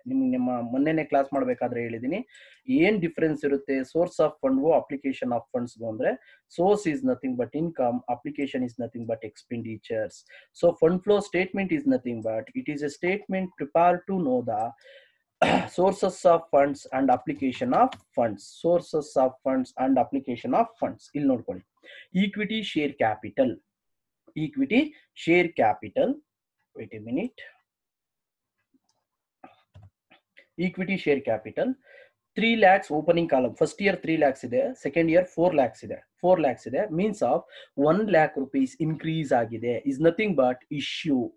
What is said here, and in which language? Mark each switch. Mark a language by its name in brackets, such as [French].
[Kannada] ನಿಮ್ಗೆ ನಿಮ್ಮ ಮೊನ್ನೆನೇ ಕ್ಲಾಸ್ ಮಾಡ್ಬೇಕಾದ್ರೆ ಹೇಳಿದೀನಿ ಏನ್ ಡಿಫ್ರೆನ್ಸ್ ಇರುತ್ತೆ ಸೋರ್ಸ್ ಆಫ್ ಫಂಡ್ ಗು ಅಪ್ಲಿಕೇಶನ್ ಆಫ್ ಫಂಡ್ಸ್ ಗು ಅಂದ್ರೆ, [English] Source is nothing but income, application is nothing but expenditures. So fund flow statement is nothing but it is a statement prepare to know the sources of funds and application of funds. Sources of funds and application of funds. [Kannada] ಇಲ್ಲಿ ನೋಡ್ಕೊಳ್ಳಿ, equity share capital, equity share capital. Wait A minute, equity share capital 3 lakhs opening column. First year 3 lakhs ಇದೆ, second year 4 lakhs ಇದೆ. 4 lakhs ಇದೆ means of 1 lakh rupees increase ಆಗಿದೆ, [English] Is nothing but issue.